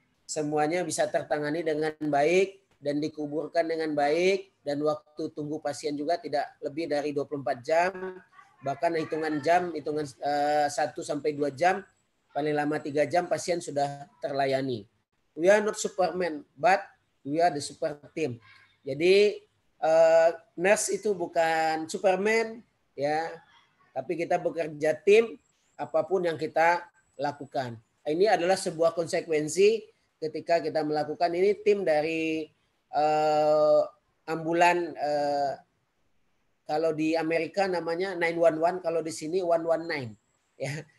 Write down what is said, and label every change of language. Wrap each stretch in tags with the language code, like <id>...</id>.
<id>Semuanya bisa tertangani dengan baik dan dikuburkan dengan baik, dan waktu tunggu pasien juga tidak lebih dari 24 jam, bahkan hitungan jam, hitungan 1-2 jam, paling lama 3 jam pasien sudah terlayani.</id> <en>We are not Superman, but we are the super team.</en> <id>Jadi nurse itu bukan Superman ya, tapi kita bekerja tim apapun yang kita lakukan. Ini adalah sebuah konsekuensi ketika kita melakukan ini tim dari ambulan, kalau di Amerika namanya 911, kalau di sini 119 ya.</id>